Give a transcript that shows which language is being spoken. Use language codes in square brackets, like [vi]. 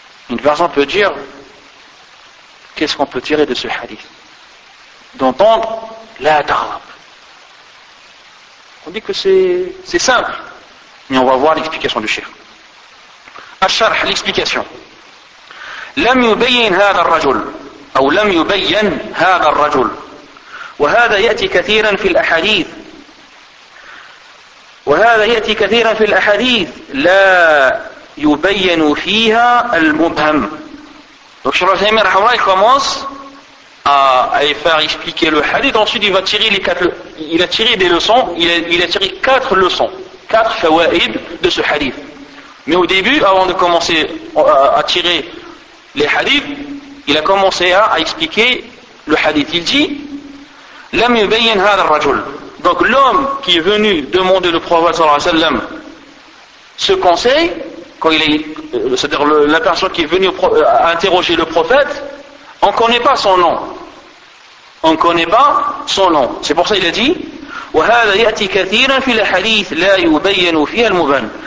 [fr] Une personne peut dire, qu'est-ce qu'on peut tirer de ce hadith? D'entendre la taghdab. On dit que c'est simple, mais on va voir l'explication du cheikh. Al-Sharh, l'explication. [ar] لم يبين هذا الرجل أو لم يبين هذا الرجل وهذا يأتي كثيرا في الأحاديث وهذا يأتي كثيرا في الأحاديث لا يبين فيها المبهم. [fr] Donc, Cheikh Al-Uthaymin rahimahullah, il commence à faire expliquer le hadith, ensuite il va tirer les quatre, il a tiré des leçons, il a tiré quatre leçons, quatre fawaïd de ce hadith. Mais au début, avant de commencer à tirer les hadiths, il a commencé à expliquer le hadith. Il dit, [ar] لم يبين هذا الرجل. [fr] Donc, l'homme qui est venu demander le prophète sallallahu alayhi wa sallam ce conseil, quand il est, c'est-à-dire la personne qui est venue interroger le prophète, on ne connaît pas son nom. On ne connaît pas son nom. C'est pour ça qu'il a dit, [ar] وَهَذَا يَأْتِي كَثِيرًا فِي الْحَدِيثِ لَا يُبَيَّنُ فِيهَا الْمُبَنِ.